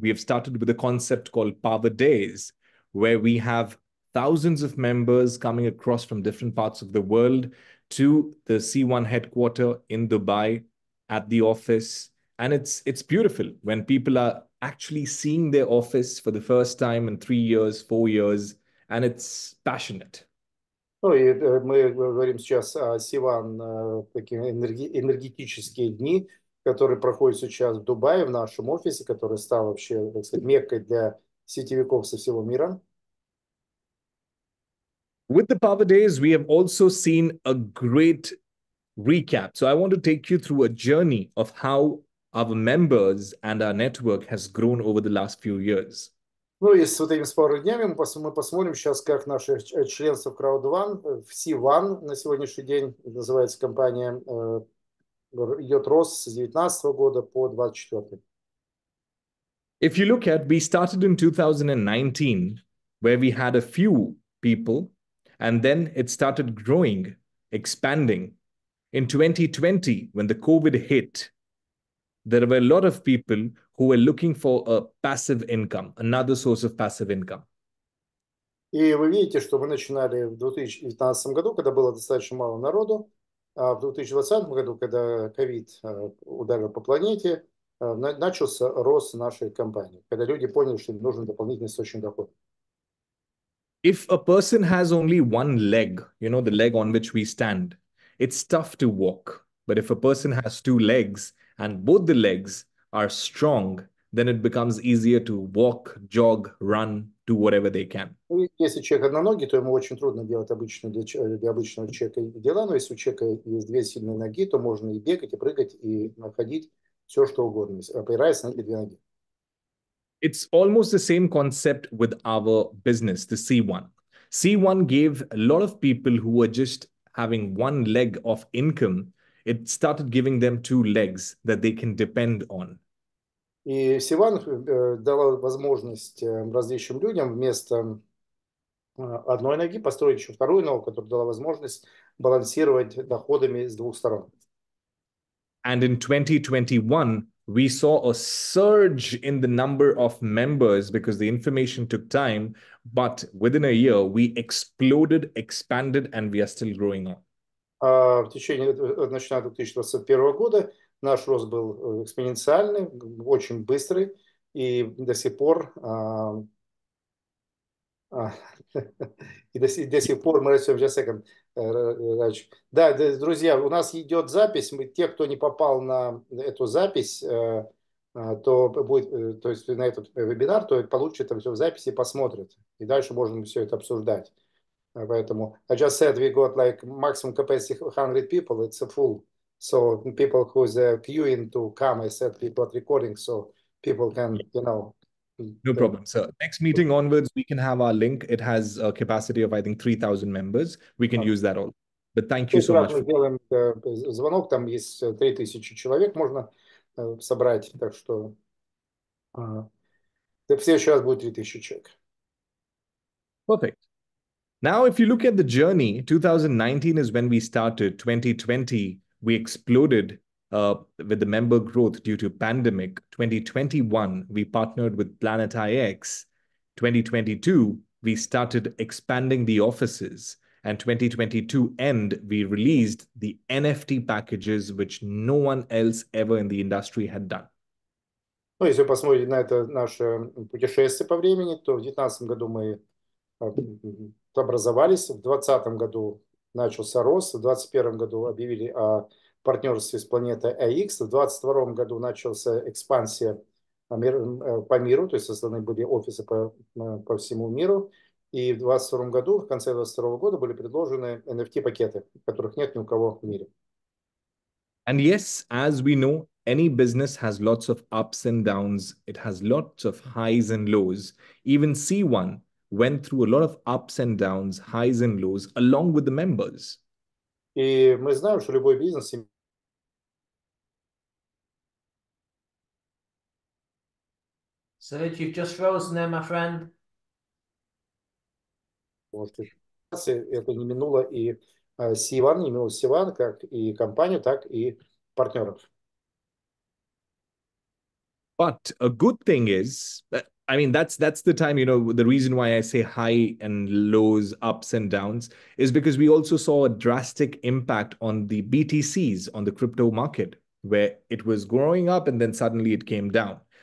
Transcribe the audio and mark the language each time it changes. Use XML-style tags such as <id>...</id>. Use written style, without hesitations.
<en>We have started with a concept called power days, where we have thousands of members coming across from different parts of the world to the C1 headquarter in Dubai at the office. And it's beautiful when people are actually seeing their office for the first time in 3 years, 4 years, and it's passionate.</en> <ru>Ну и мы говорим сейчас о Сиван, такие энергетические дни, которые проходят сейчас в Дубае, в нашем офисе, который стал вообще, так сказать, меккой для сетевиков со всего мира.</ru> <en>With the Power Days, we have also seen a great recap. So I want to take you through a journey of how our members and our network has grown over the last few years.</en> <ru>Ну и с вот этими пару днями мы посмотрим сейчас, как наши членство в Crowd One, в C1 на сегодняшний день, называется компания, идет рост с 19 года по 24.</ru> <en>If you look at, we started in 2019, where we had a few people, and then it started growing, expanding. In 2020, when the COVID hit, there were a lot of people who were looking for a passive income, another source of passive income.</en> <ru>И вы видите, что мы начинали в 2019 году, когда было достаточно мало народу, а в 2020 году, когда COVID ударил по планете, начался рост нашей компании, когда люди поняли, что им нужен дополнительный источник дохода.</ru> <en>If a person has only one leg, you know, the leg on which we stand, it's tough to walk. But if a person has two legs, and both the legs are strong, then it becomes easier to walk, jog, run, do whatever they can.</en> <ru>Если человек одноногий, то ему очень трудно делать обычные для обычного человека дела, но если у человека есть две сильные ноги, то можно и бегать, и прыгать, и находить все, что угодно, опираясь на эти две ноги.</ru> <en>It's almost the same concept with our business, the C1. C1 gave a lot of people who were just having one leg of income, it started giving them two legs that they can depend on.</en> <ru>И Сиван дала возможность различным людям вместо одной ноги построить еще вторую ногу, которая дала возможность балансировать доходами с двух сторон.</ru> <en>And in 2021, we saw a surge in the number of members because the information took time, but within a year, we exploded, expanded, and we are still growing on.</en> <ru>В течение, начиная с 2021 года, наш рост был экспоненциальный, очень быстрый, и до сих пор, до сих пор мы растем. Да, друзья, у нас идет запись, мы, те, кто не попал на эту запись, то будет, то есть на этот вебинар, то получит там все в записи, посмотрит, и дальше можем все это обсуждать. Поэтому</ru> <en>I just said we got like maximum capacity 100 people. It's a full. So people who's queuing to come, I said we got recording, so people can, you know. No problem, sir. Next meeting onwards, we can have our link. It has a capacity of I think 3,000 members. We can use that all. But thank you so much.</en> <ru>Мы делаем звонок, там есть 3,000 человек можно собрать, так что в следующий раз будет 3,000 человек.</ru> <en>Perfect. Now, if you look at the journey, 2019 is when we started. 2020, we exploded with the member growth due to pandemic. 2021, we partnered with Planet IX. 2022, we started expanding the offices. And 2022 end, we released the NFT packages, which no one else ever in the industry had done.</en> <ru>Ну, если вы посмотрите на это наше путешествие по времени, то в 2019 году мы образовались, в 2020 году начался рост, в 2021 году объявили о партнерстве с планетой АИКС, в 2022 году начался экспансия по миру, то есть созданы были офисы по всему миру, и в 2022 году, в конце 2022 года были предложены NFT-пакеты, которых нет ни у кого в мире.</ru> <en>And yes, as we know, any business has lots of ups and downs. It has lots of highs and lows. Even C1 went through a lot of ups and downs, highs and lows, along with the members.</en> <ru>И мы знаем, что любой бизнес...</ru> <en>So you've just frozen there, my friend.</en> <ru>Это не минуло и C1, не минуло C1, как и компанию, так и партнеров.</ru> <en>But a good thing is, I mean, that's the time, you know, the reason why I say high and lows, ups and downs, is because we also saw a drastic impact on the BTCs, on the crypto market, where it was growing up and then suddenly it came down.</en>